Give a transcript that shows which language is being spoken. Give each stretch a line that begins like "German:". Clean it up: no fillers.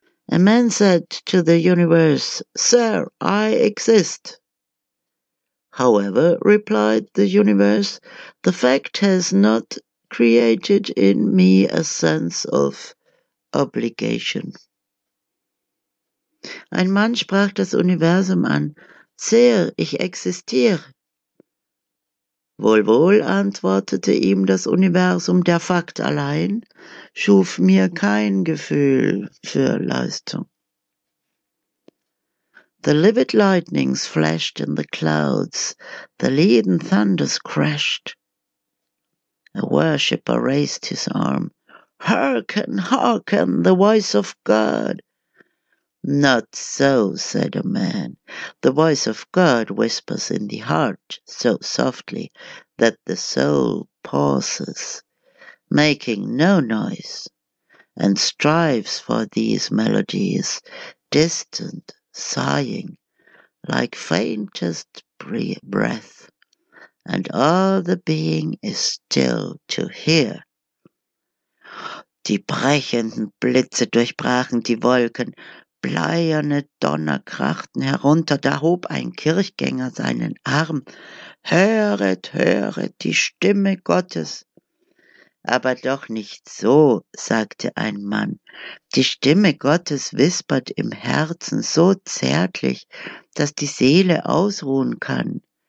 English: A man said to the universe, "Sir, I exist." However, replied the universe, "the fact has not created in me a sense of obligation."
German: Ein Mann sprach das Universum an, "Sir, ich existiere." "Wohl, wohl," antwortete ihm das Universum, "der Fakt allein schuf mir kein Gefühl für Leistung."
English: The livid lightnings flashed in the clouds, the leaden thunders crashed. A worshipper raised his arm. "Hearken, hearken, the voice of God." "Not so," said a man. "The voice of God whispers in the heart so softly that the soul pauses, making no noise, and strives for these melodies, distant, sighing like faintest breath, and all the being is still to hear."
German: Die brechenden Blitze durchbrachen die Wolken, bleierne Donner krachten herunter, da hob ein Kirchgänger seinen Arm. "Höret, höret die Stimme Gottes." "Aber doch nicht so," sagte ein Mann. "Die Stimme Gottes wispert im Herzen so zärtlich, dass die Seele ausruhen kann.